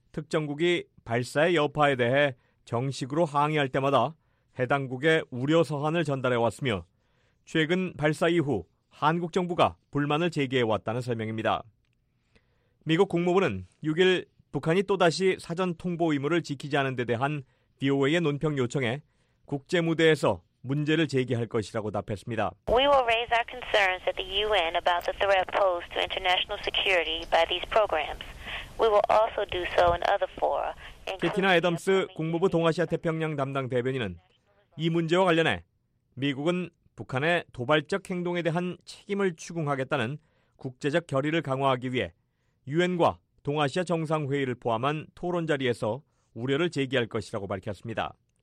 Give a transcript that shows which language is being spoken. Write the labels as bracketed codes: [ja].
[ko] 특정국이 발사의 여파에 대해 정식으로 항의할 때마다 해당국에 우려 서한을 전달해 왔으며 최근 발사 이후 한국 정부가 불만을 제기해 왔다는 설명입니다. 미국 국무부는 6일 북한이 또다시 사전 통보 의무를 지키지 않은 데 대한 BOA의 논평 요청에 국제 무대에서 문제를 제기할 것이라고 답했습니다. [en] We will raise our concerns at the UN about the threat posed to international security by these programs. We will also do so in other fora. [ko] 피티나 애덤스 국무부 동아시아 태평양 담당 대변인은 이 문제와 관련해 미국은 북한의 도발적 행동에 대한 책임을 추궁하겠다는 국제적 결의를 강화하기 위해 유엔과 동아시아 정상회의를 포함한 토론 자리에서 우려를 제기할 것이라고 밝혔습니다.